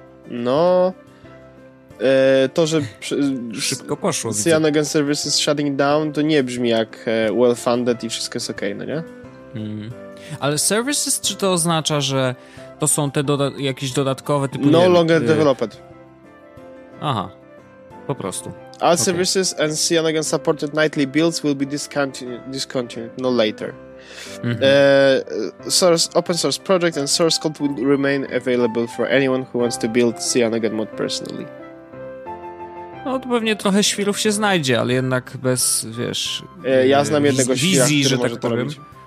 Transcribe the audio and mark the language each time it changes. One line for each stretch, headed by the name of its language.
Polish: No to, że szybko poszło,
English: Cyanogen Services shutting down,
Polish: to nie brzmi jak
English: well funded
Polish: i wszystko jest okej, no nie? Ale services, czy to oznacza, że to są te jakieś dodatkowe typu...
English: No longer developed.
Polish: Aha, po prostu.
English: Our services and Cyanogen supported nightly builds will be discontinued no later. Mm-hmm. Source open source project and source code will remain available for anyone who wants to build Cyanogen mod personally.
Polish: No to pewnie trochę świrów się znajdzie, ale jednak bez, wiesz, ja znam jednego świra, wizji, który że może tak to robić.